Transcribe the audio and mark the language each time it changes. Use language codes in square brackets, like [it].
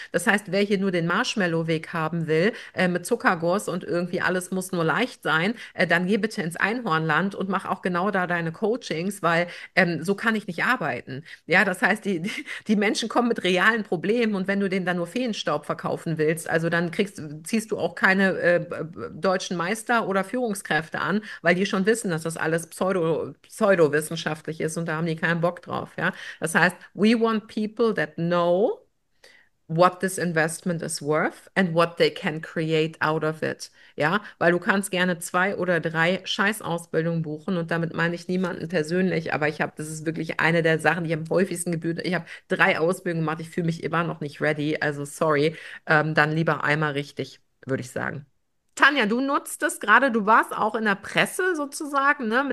[de] Das heißt, wer hier nur den Marshmallow-Weg haben will, mit Zuckerguss und irgendwie alles muss nur leicht sein, dann geh bitte ins Einhornland und mach auch genau da deine Coachings, weil so kann ich nicht arbeiten. Ja, das heißt, die Menschen kommen mit realen Problemen und wenn du denen dann nur Feenstaub verkaufen willst, also dann ziehst du auch keine deutschen Meister oder Führungskräfte an, weil die schon wissen, dass das alles Pseudo-Wissenschaft wissenschaftlich ist und da haben die keinen Bock drauf, ja. Das heißt, [en] we want people that know what this investment is worth and what they can create out of it. [de] Ja, weil du kannst gerne zwei oder drei Scheißausbildungen buchen und damit meine ich niemanden persönlich, aber das ist wirklich eine der Sachen, die am häufigsten gebührt. Ich habe drei Ausbildungen gemacht, ich fühle mich immer noch nicht ready, also sorry, dann lieber einmal richtig, würde ich sagen. Tanja, du nutzt es gerade, du warst auch in der Presse sozusagen, ne?